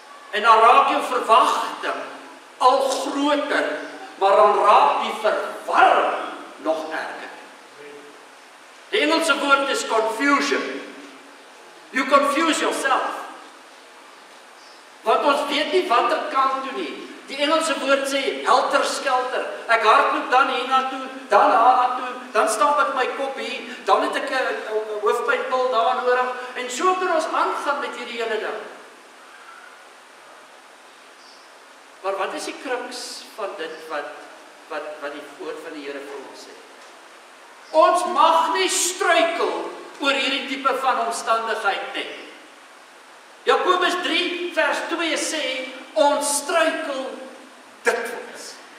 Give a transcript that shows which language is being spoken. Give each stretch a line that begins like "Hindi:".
Afrikaans: En dan raak jou verwagting al groter, maar dan raak die verwarring nog erger. Die Engelse woord is confusion.
English: You confuse yourself.
Afrikaans: Want ons weet nie wat ek kan doen nie. Die Engelse woord sê, helter skelter. Ek hardloop dan hier na toe, dan haar na toe, dan stap ek my kop hier, dan het ek een hoofpynpil daar nodig, en so kan ons aangaan met hierdie hele ding. Maar wat is die kruks van dit, wat die woord van die Here vir ons sê? Ons mag nie struikel oor hierdie type van omstandigheid nie. Jakobus 3 vers 2 sê, ons struikel dikwels.